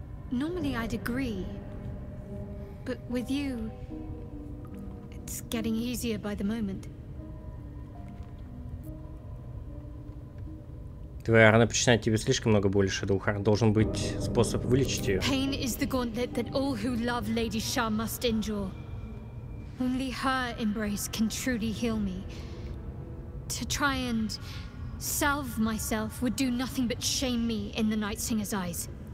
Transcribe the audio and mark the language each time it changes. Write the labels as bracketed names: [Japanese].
[English] Normally I'd agree, but with you, it's getting easier by the moment. [Russian] Твоя рана причиняет тебе слишком много боли, Шадоухар. Должен быть способ вылечить ее. [English] Pain is the gauntlet that all who love Lady Shah must endure. Only her embrace can truly heal me. To try and salve myself would do nothing but shame me in the Night Singer's eyes.